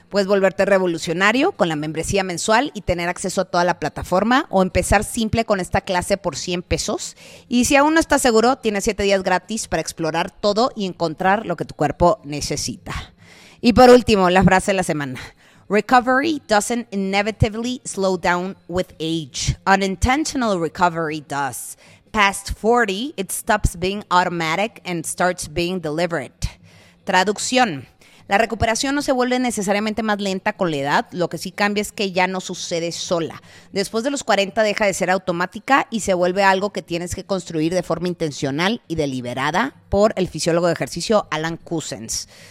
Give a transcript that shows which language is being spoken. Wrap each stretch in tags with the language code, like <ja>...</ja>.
<es>Puedes volverte revolucionario con la membresía mensual y tener acceso a toda la plataforma o empezar simple con esta clase por 100 pesos. Y si aún no estás seguro, tienes 7 días gratis para explorar todo y encontrar lo que tu cuerpo necesita. Y por último, la frase de la semana.</es> <en>Recovery doesn't inevitably slow down with age. Unintentional recovery does. Past 40, it stops being automatic and starts being deliberate.</en> <es>Traducción. La recuperación no se vuelve necesariamente más lenta con la edad, lo que sí cambia es que ya no sucede sola. Después de los 40 deja de ser automática y se vuelve algo que tienes que construir de forma intencional y deliberada por el fisiólogo de ejercicio Alan Cousins.</es>